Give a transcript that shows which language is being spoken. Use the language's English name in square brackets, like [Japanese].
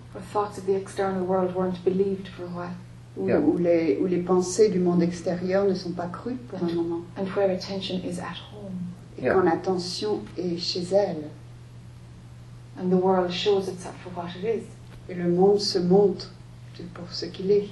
[English] The thoughts of the external world weren't believed for a while. [French] Où les pensées du monde extérieur ne sont pas crues pour un moment. [English] And where attention is at home. [French] Et yeah. Quand l'attention est chez elle. [English] And the world shows itself for what it is. [French] Et le monde se montre pour ce qu'il est.